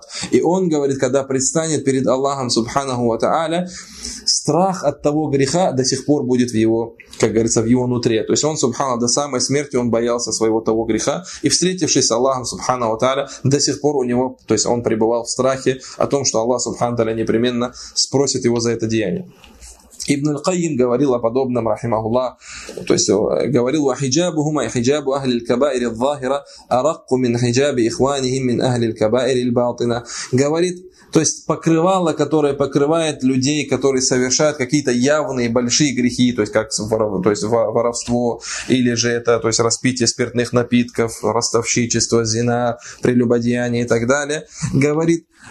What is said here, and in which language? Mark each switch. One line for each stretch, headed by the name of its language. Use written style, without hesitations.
Russian: И он говорит, когда предстанет перед Аллахом, субханаху ва тааля, страх от того греха до сих пор будет в его, как говорится, в его нутре. То есть он, субханаху, до самой смерти он боялся своего того греха, и встретившись с Аллахом, субханаху ва тааля, до сих пор у него, то есть он пребывал в страхе о том, что Аллах, субханаху ва тааля, непременно спросит его за это деяние. Ибн аль-Кайим говорил о подобном, рахимахуллах, то есть говорил,
Arabic: وَحِجَابُهُمَا يَحِجَابُ أَهْلِ الْكَبَائِرِ الظَّاهِرَ أَرَقُّ مِنْ حِجَابِ إِخْوَانِهِمْ مِنْ أَهْلِ الْكَبَائِرِ الْبَاطِنَ.
Russian: Говорит, то есть покрывало, которое покрывает людей, которые совершают какие-то явные большие грехи, то есть как то есть воровство, или же это, то есть распитие спиртных напитков, ростовщичество, зина, прелюбодеяние и так далее. Говорит,